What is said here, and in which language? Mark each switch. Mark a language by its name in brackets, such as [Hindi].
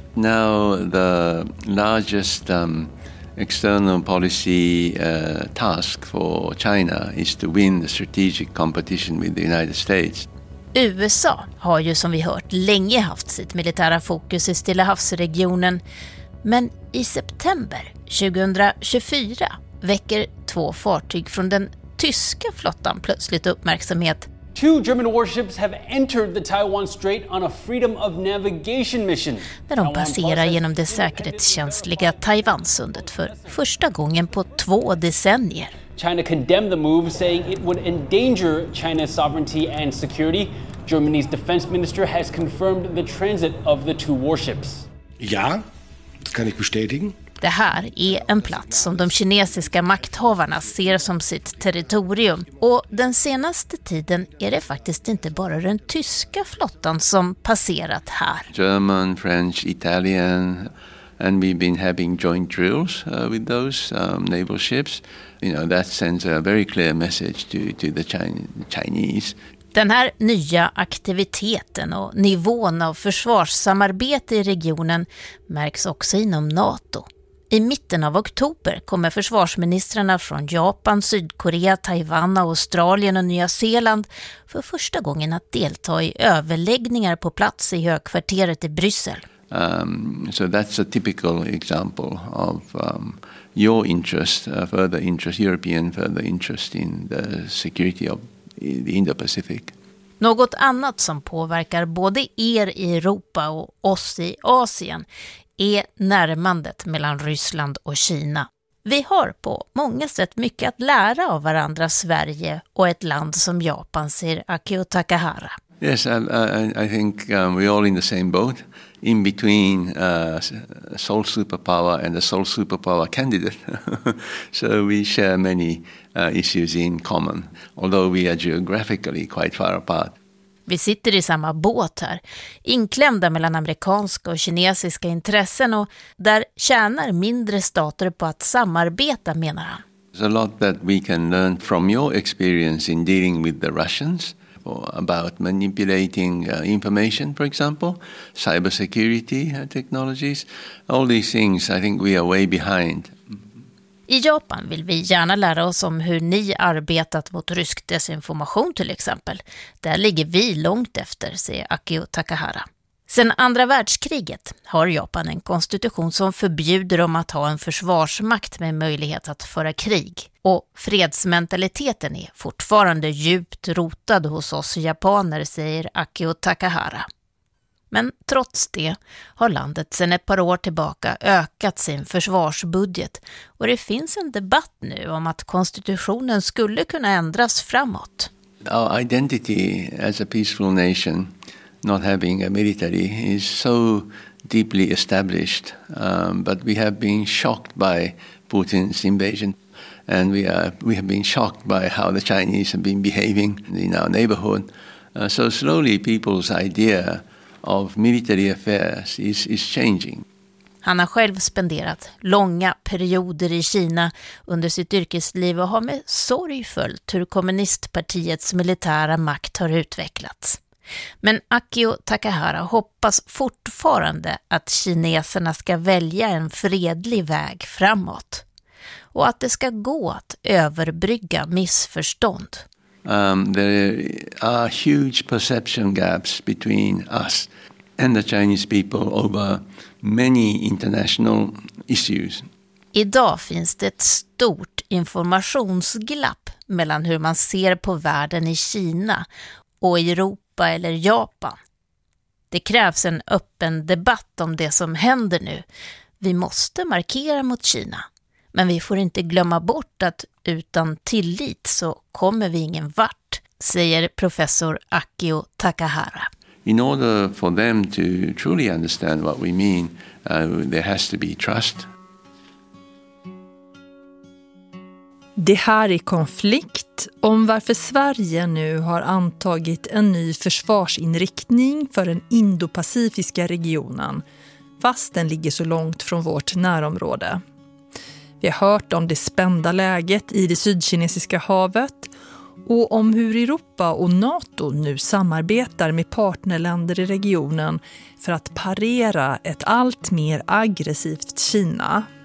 [English] Now the largest external policy task for China is to win the strategic competition with the United States. [Swedish] USA har ju som vi hört länge haft sitt militära fokus i Stilla havsregionen. Men i september 2024 väcker två fartyg från den tyska flottan plötsligt uppmärksamhet. [English] Two German warships have entered the Taiwan Strait on a freedom of navigation mission. [Swedish] När de passerar genom det säkerhetskänsliga Taiwansundet för första gången på två decennier. [English] China condemned the move, saying it would endanger China's sovereignty and security. Germany's defense minister has confirmed the transit of the two warships. [German] Ja, das kann ich bestätigen. [Swedish] Det här är en plats som de kinesiska makthavarna ser som sitt territorium. Och den senaste tiden är det faktiskt inte bara den tyska flottan som passerat här. [English] German, French, Italian, and we've been having joint drills with those naval ships. You know, that sends a very clear message to the Chinese. [Swedish] Den här nya aktiviteten och nivån av försvarssamarbete i regionen märks också inom NATO. I mitten av oktober kommer försvarsministrarna från Japan, Sydkorea, Taiwan, Australien och Nya Zeeland för första gången att delta i överläggningar på plats i högkvarteret i Bryssel. [English] So that's a typical example of your interest, further interest, European further interest in the security of the Indo-Pacific. [Swedish] Något annat som påverkar både er i Europa och oss i Asien är närmandet mellan Ryssland och Kina. Vi har på många sätt mycket att lära av varandra, Sverige och ett land som Japan, säger Akio Takahara. [English] Yes, I think we're all in the same boat. In between sole superpower and the sole superpower candidate. So we share many issues in common, although we are geographically quite far apart. [Swedish] Vi sitter i samma båt här, inklämda mellan amerikanska och kinesiska intressen, och där tjänar mindre stater på att samarbeta, menar han. [English] There's a lot that we can learn from your experience in dealing with the Russians. About manipulating information, for example, cybersecurity technologies, all these things, I think we are way behind. [Swedish] I Japan vill vi gärna lära oss om hur ni arbetat mot rysk desinformation till exempel. Där ligger vi långt efter, säger Akio Takahara. Sen andra världskriget har Japan en konstitution som förbjuder dem att ha en försvarsmakt med möjlighet att föra krig. Och fredsmentaliteten är fortfarande djupt rotad hos oss japaner, säger Akio Takahara. Men trots det har landet sedan ett par år tillbaka ökat sin försvarsbudget. Och det finns en debatt nu om att konstitutionen skulle kunna ändras framåt. [English] Our identity as a peaceful nation, not having a military, is so deeply established. But we have been shocked by Putin's invasion. And we have been shocked by how the Chinese have been behaving in our neighborhood. So slowly people's idea of military affairs is changing. [Swedish] Han har själv spenderat långa perioder i Kina under sitt yrkesliv och har med sorg följt hur kommunistpartiets militära makt har utvecklats. Men Akio Takahara hoppas fortfarande att kineserna ska välja en fredlig väg framåt. Och att det ska gå att överbrygga missförstånd. [English] There are huge perception gaps between us and the Chinese people over many international issues. [Swedish] Idag finns det ett stort informationsglapp mellan hur man ser på världen i Kina och Europa eller Japan. Det krävs en öppen debatt om det som händer nu. Vi måste markera mot Kina. Men vi får inte glömma bort att utan tillit så kommer vi ingen vart, säger professor Akio Takahara. [English] In order for them to truly understand what we mean, there has to be trust. [Swedish] Det här är Konflikt, om varför Sverige nu har antagit en ny försvarsinriktning för den indopacifiska regionen, fast den ligger så långt från vårt närområde. Vi har hört om det spända läget i det sydkinesiska havet och om hur Europa och NATO nu samarbetar med partnerländer i regionen för att parera ett allt mer aggressivt Kina.